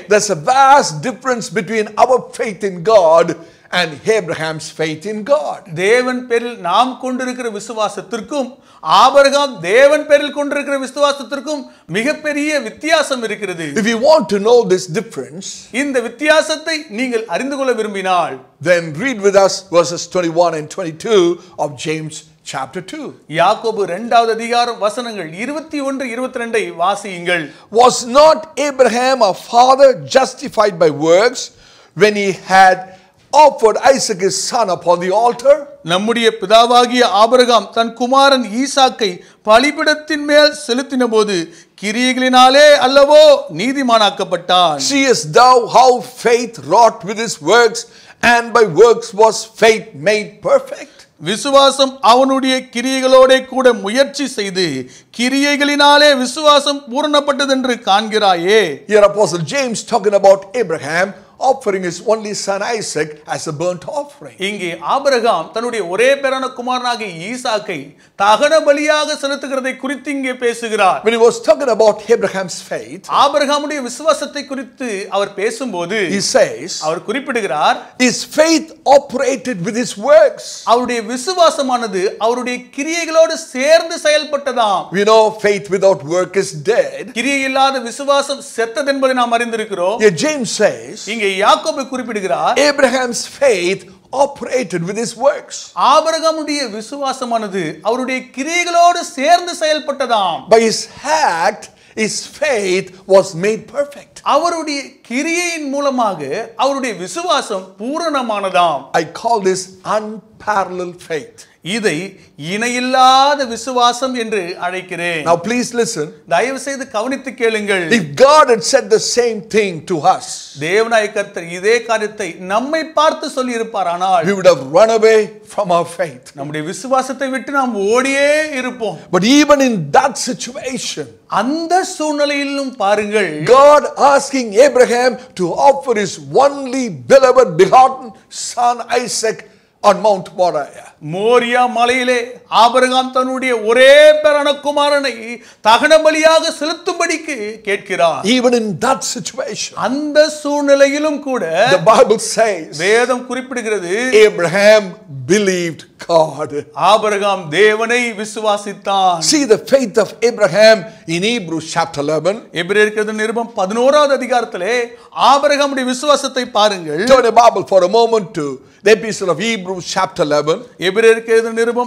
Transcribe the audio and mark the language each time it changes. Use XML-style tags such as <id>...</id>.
<en>there's a vast difference between our faith in God and Abraham's faith in God.</en> <ta>தேவன் பேரில் நாம் கொண்டிருக்கிற விசுவாசத்திற்கும் Abraham தேவன் பேரில் கொண்டிருக்கிற விசுவாசத்திற்கும் மிகப்பெரிய வித்தியாசம் இருக்கிறது.</ta> <en>If you want to know this difference,</en> <ta>இந்த வித்தியாசத்தை நீங்கள் அறிந்து கொள்ள விரும்பினால்,</ta> <en>then read with us verses 21 and 22 of James chapter 2.</en> <ta>யாக்கோபு 2வது அதிகாரம் வசனங்கள் 21 22 ஐ வாசியுங்கள்.</ta> <en>Was not Abraham a father justified by works when he had offered Isaac his son upon the altar?</en> <ta>நம்முடைய பிதாவாகிய ஆபிரகாம் தன் குமாரன் ஈசாக்கை பலிபீடத்தின் மேல் செலுத்தின போது கிரியைகளினாலே அல்லவோ நீதிமானாக்கப்பட்டான்.</ta> <en>Seest thou how faith wrought with his works, and by works was faith made perfect?</en> <ta>விசுவாசம் அவனுடைய கிரியைகளோட கூட முயற்சி செய்து கிரியைகளினாலே விசுவாசம் பூரணப்பட்டது என்று காண்கிறாயே.</ta> <en>Here Apostle James talking about Abraham offering his only son Isaac as a burnt offering.</en> <ta>இங்கே ஆபிரகாம் தன்னுடைய ஒரே பேரான குமாரனாகிய ஈசாக்கை தகன பலியாக செலுத்துகிறதை குறித்து இங்கே பேசுகிறார்.</ta> <en>When he was talking about Abraham's faith,</en> <ta>ஆபிரகாமுடைய விசுவாசத்தை குறித்து அவர் பேசும்போது,</ta> <en>he says,</en> <ta>அவர் குறிப்பிடுகிறார்,</ta> <en>his faith operated with his works.</en> <ta>அவருடைய விசுவாசமானது அவருடைய கிரியைகளோடு சேர்ந்து செயல்பட்டதாம்.</ta> <en>We know faith without work is dead.</en> <ta>கிரியை இல்லாத விசுவாசம் செத்தது என்பதை நாம் அறிந்திருக்கிறோம்.</ta> <en>Yet James says,</en> <ta>இங்கே யாக்கோபு குறிப்பிடுகிறார்,</ta> <en>Abraham's faith operated with his works.</en> <ta>ஆபிரகாமுடைய விசுவாசமானது அவருடைய கிரியைகளோடு சேர்ந்து செயல்பட்டதாம்.</ta> <en>By his act, his faith was made perfect.</en> <ta>அவருடைய கிரியையின் மூலமாக அவருடைய விசுவாசம் பூரணமானதாம்.</ta> <en>I call this unparalleled faith.</en> <ta>இதை இனையில்லாத விசுவாசம் என்று அழைக்கிறேன்.</ta> <en>Now please listen.</en> <ta>தயவு செய்து கவனித்து கேளுங்கள்.</ta> <en>If God had said the same thing to us.</en> <ta>தேவனாய் கர்த்தர் இதே காரியத்தை நம்மை பார்த்து சொல்லியிருப்பாரானால்</ta> <en>we would have run away from our faith.</en> <ta>நம்முடைய விசுவாசத்தை விட்டு நாம் ஓடியே இருப்போம்.</ta> <en>But even in that situation</en> <ta>அந்த சூழ்நிலையிலும் பாருங்கள்</ta> <en>God asking Abraham to offer his only beloved begotten son Isaac on Mount Moriah.</en> <ta>Moriah மலையிலே ஆபிரகாம் தன்னுடைய ஒரே பிறந்த குமாரனை தகன பலியாக செலுத்தும்படிக்கு கேட்கிறார்.</ta> <en>Even in that situation.</en> <ta>அந்த சூழ்நிலையிலும் கூட</ta> <en>The Bible says.</en> <ta>வேதம் குறிப்பிடுகிறது</ta> <en>Abraham believed God.</en> <ta>ஆபிரகாம் தேவனை விசுவாசித்தான்.</ta> <en>See the faith of Abraham in Hebrews chapter 11.</en> <ta>எபிரேயர்கள் நிருபம் 11வது அதிகாரத்திலே ஆபிரகாமுடைய விசுவாசத்தை பாருங்கள்.</ta> <en>Turn the Bible for a moment to the epistle of Hebrews chapter 11.</en>